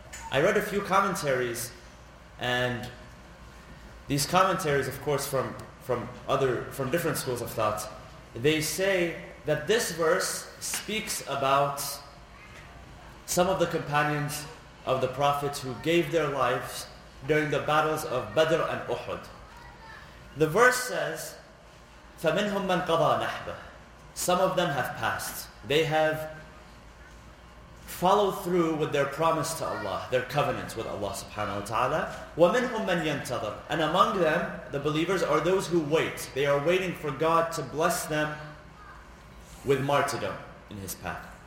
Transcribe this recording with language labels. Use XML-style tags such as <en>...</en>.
<en>I read a few commentaries, and these commentaries, of course, from different schools of thought, they say that this verse speaks about some of the companions of the Prophet who gave their lives during the battles of Badr and Uhud. The verse says,</en> <ar>فَمِنْهُمْ مَنْ قَضَى نَحْبَهُ.</ar> <en>Some of them have passed. They have followed through with their promise to Allah, their covenant with Allah subhanahu wa ta'ala.</en> <ar>وَمِنْهُمْ مَنْ يَنْتَظَرْ.</ar> <en>And among them, the believers, are those who wait. They are waiting for God to bless them with martyrdom in His path.</en>